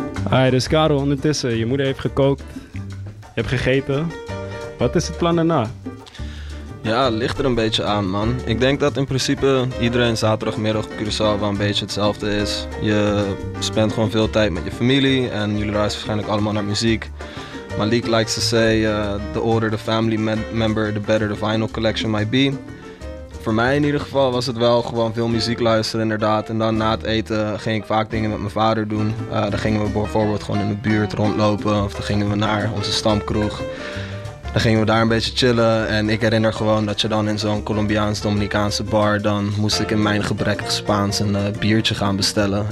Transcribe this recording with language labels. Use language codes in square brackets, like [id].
[nl] Hi, dus Karel, ondertussen, je moeder heeft gekookt, je hebt gegeten. Wat is het plan daarna? Ja, ligt er een beetje aan, man. Ik denk dat in principe iedereen zaterdagmiddag op Curaçao wel een beetje hetzelfde is. Je spendt gewoon veel tijd met je familie en jullie reizen waarschijnlijk allemaal naar muziek. [en] Malik likes to say, the older the family member, the better the vinyl collection might be. [nl] Voor mij in ieder geval was het wel gewoon veel muziek luisteren inderdaad. En dan na het eten ging ik vaak dingen met mijn vader doen. Dan gingen we bijvoorbeeld gewoon in de buurt rondlopen of dan gingen we naar onze stamkroeg. Dan gingen we daar een beetje chillen en ik herinner gewoon dat je dan in zo'n Colombiaans-Dominicaanse bar, dan moest ik in mijn gebrekkig Spaans een biertje gaan bestellen.